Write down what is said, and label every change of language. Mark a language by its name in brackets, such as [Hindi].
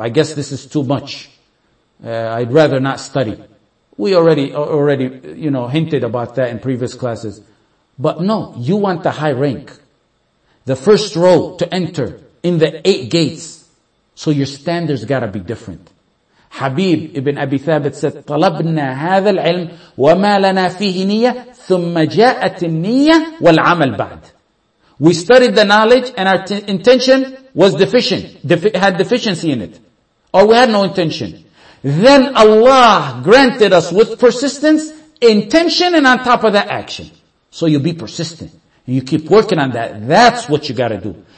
[English] I guess this is too much. I'd rather not study." We already, you know, hinted about that in previous classes. But no, you want the high rank. The first row to enter in the 8 gates. So your standards gotta be different. [Arabic] Habib ibn Abi Thabit said, "طلبنا هذا العلم وما لنا فيه نية ثم جاءت النية والعمل بعد." [English] We studied the knowledge and our intention was deficient, had deficiency in it. Or we had no intention. Then Allah granted us with persistence, intention, and on top of that, action. So you be persistent. You keep working on that. That's what you gotta do.